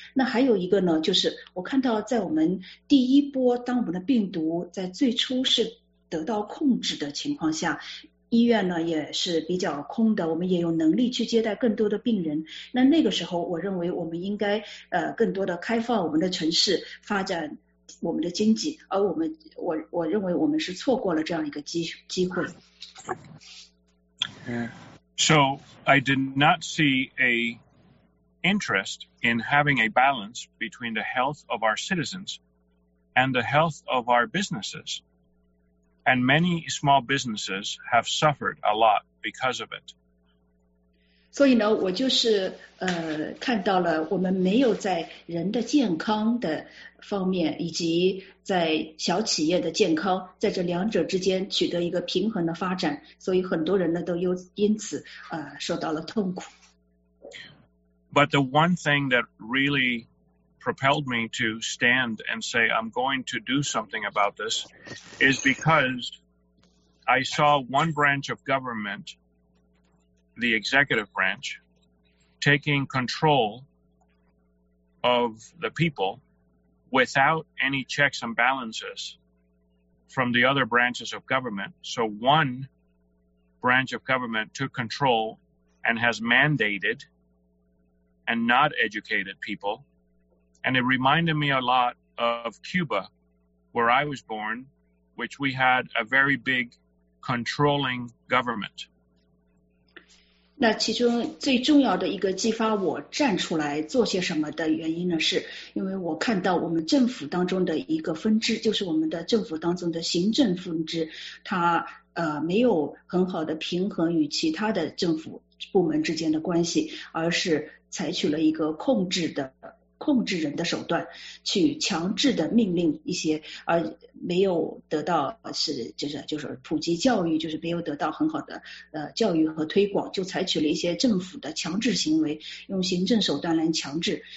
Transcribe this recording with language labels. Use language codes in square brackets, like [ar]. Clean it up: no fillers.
[zh] 那还有一个呢，就是我看到在我们第一波，当我们的病毒在最初是得到控制的情况下，医院呢也是比较空的，我们也有能力去接待更多的病人。那个时候我认为我们应该更多的开放我们的城市，发展我们的经济，而我认为我们是错过了这样一个机会。 [en] So I did not see an interest in having a balance between the health of our citizens and the health of our businesses. And many small businesses have suffered a lot because of it. [zh] 所以呢，我就是看到了我们没有在人的健康的方面以及在小企业的健康在这两者之间取得一个平衡的发展，所以很多人呢都因此受到了痛苦。 [en] But the one thing that really propelled me to stand and say I'm going to do something about this is because I saw one branch of government, the executive branch, taking control of the people without any checks and balances from the other branches of government. So one branch of government took control and has mandated and not educated people. And it reminded me a lot of Cuba, where I was born, which we had a very big controlling government. [zh] 那其中最重要的一个激发我站出来做些什么的原因呢，是因为我看到我们政府当中的一个分支，就是我们的政府当中的行政分支，它没有很好的平衡与其他的政府部门之间的关系，而是采取了一个控制人的手段，去强制的命令一些，而没有得到是就是普及教育，就是没有得到很好的教育和推广，就采取了一些政府的强制行为，用行政手段来强制。